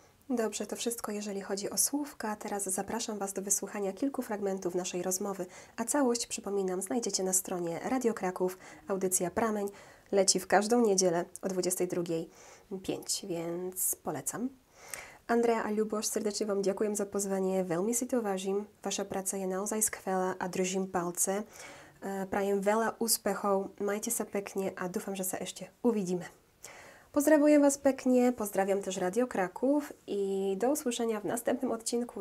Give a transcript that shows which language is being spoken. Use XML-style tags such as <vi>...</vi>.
<pl>Dobrze, to wszystko, jeżeli chodzi o słówka. Teraz zapraszam Was do wysłuchania kilku fragmentów naszej rozmowy, a całość, przypominam, znajdziecie na stronie Radio Kraków, audycja Prameń. Leci w każdą niedzielę o 22.05, więc polecam.</pl> <sk>Andrea a Ľuboš, srdečne vám ďakujem za pozvanie, veľmi si to vážim. Vaša práca je naozaj skvelá a držím palce. Prajem veľa úspechov, majte sa pekne a dúfam, že sa ešte uvidíme. Pozdravujem vás pekne, pozdraviam tež Radio Kraków i</sk> <pl>do usłyšenia v następnym odcinku.</pl>